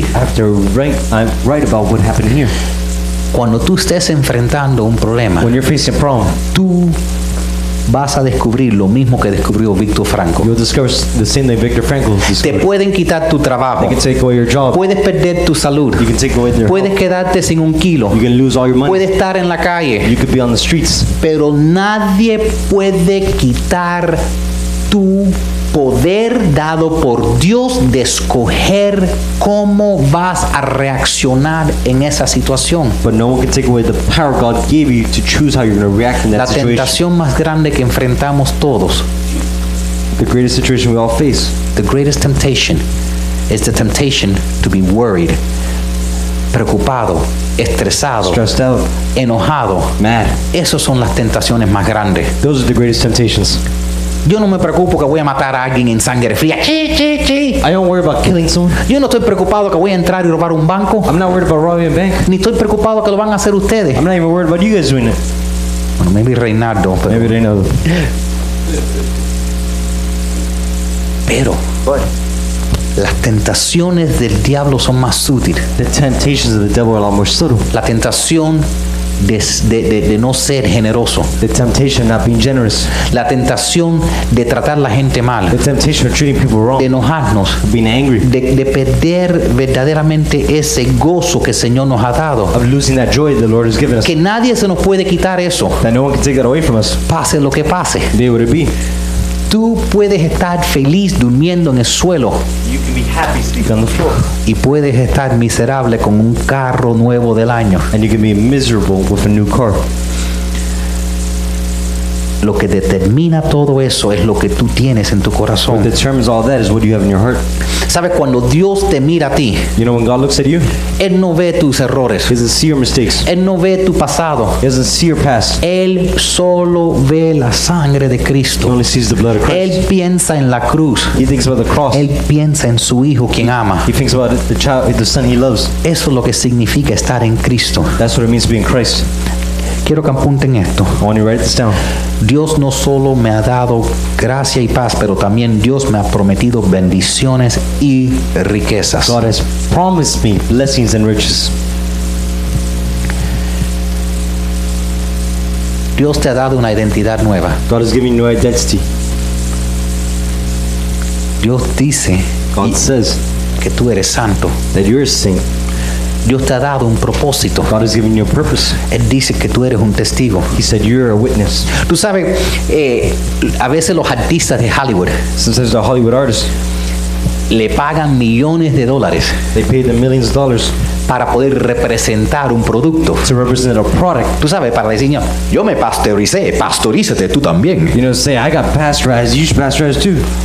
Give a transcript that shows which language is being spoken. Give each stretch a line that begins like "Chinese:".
English: I have to write about what happened here.
Spanish: Cuando tú estés enfrentando un problema,
English: when you're facing a problem,
Spanish: tú vas a descubrir lo mismo que descubrió Víctor Franco.
English: You'll discover the same thing Victor Frankl discovered.
Spanish: Te pueden quitar tu trabajo.
English: They can take away your job.
Spanish: Puedes perder tu salud.
English: You can take away their
Spanish: puedes
English: health.
Spanish: Quedarte sin un kilo.
English: You can lose all your money.
Spanish: Puedes estar en la calle.
English: You could be on the streets.
Spanish: Pero nadie puede quitar tu poder dado por Dios de escoger cómo vas a reaccionar en esa situación.
English: But no one can take away the power God gave you to choose how you're going to react in that situation.
Spanish: La tentación más grande que enfrentamos todos.
English: The greatest situation we all face. The greatest temptation is the temptation to be worried,
Spanish: preocupado, estresado,
English: stressed out,
Spanish: enojado,
English: mad.
Spanish: Esas son las tentaciones más grandes.
English: Those are the greatest temptations.
Spanish: Yo no me preocupo que voy a matar a alguien en sangre fría.
English: I don't worry about killing someone.
Spanish: Yo no estoy preocupado que voy a entrar y robar un banco.
English: I'm not worried about robbing a bank.
Spanish: Ni estoy preocupado que lo van a hacer ustedes.
English: I'm not even worried about you guys doing it.
Spanish: Bueno,
English: maybe
Spanish: Reynaldo. Pero...
English: Maybe Reynaldo.
Spanish: Pero.
English: What?
Spanish: Las tentaciones del diablo son más sutiles.
English: The temptations of the devil are a lot more subtle.
Spanish: La tentación de no ser generoso.
English: The temptation of not being generous.
Spanish: La tentación de tratar la gente mal.
English: The temptation of treating people wrong.
Spanish: De enojarnos.
English: Of being angry.
Spanish: De perder verdaderamente ese gozo que el Señor nos ha dado.
English: Of losing that joy the Lord has given us.
Spanish: Que nadie se nos puede quitar eso.
English: That no one can take that away from us.
Spanish: Pase lo que pase.
English: Be what it be.
Spanish: Tú puedes estar feliz durmiendo en el suelo.
English: You can be happy sleeping on the floor.
Spanish: Y puedes estar miserable con un carro nuevo del año.
English: And you can be miserable with a new car.
Spanish: Lo que determina todo eso es lo que tú tienes en tu corazón.
English: What determines all that is what you have in your heart.
Spanish: ¿Sabes cuando Dios te mira a ti?
English: You know when God looks at you?
Spanish: Él no ve tus errores.
English: He doesn't see your mistakes.
Spanish: Él no ve tu pasado.
English: He doesn't see your past.
Spanish: Él solo ve la sangre de Cristo.
English: He only sees the blood of Christ.
Spanish: Él piensa en la cruz.
English: He thinks about the cross.
Spanish: Él piensa en su hijo quien ama.
English: He thinks about the child, the son he loves.
Spanish: Eso es lo que significa estar en Cristo.
English: That's what it means to be in Christ.
Spanish: Quiero que apunten esto.
English: I want you to write this down.
Spanish: Dios no solo me ha dado gracia y paz, pero también Dios me ha prometido bendiciones y riquezas.
English: God has promised me blessings and riches.
Spanish: Dios te ha dado una identidad nueva.
English: God has given you a new identity.
Spanish: Dios dice,
English: God says,
Spanish: que tú eres santo.
English: That you're a saint.
Spanish: Dios te ha dado un propósito.
English: God has given you a purpose.
Spanish: Él dice que tú eres un testigo.
English: He said you're a witness.
Spanish: Tú sabes, a veces los artistas de Hollywood.
English: Since there's a Hollywood artist.
Spanish: Le pagan millones de dólares.
English: They pay them millions of dollars.
Spanish: Para poder representar un producto.
English: To represent a product.
Spanish: Tú sabes, para decir, yo me pasteuricé, pasteurízate tú también.
English: You know, say, I got pasteurized, you should pasteurize too.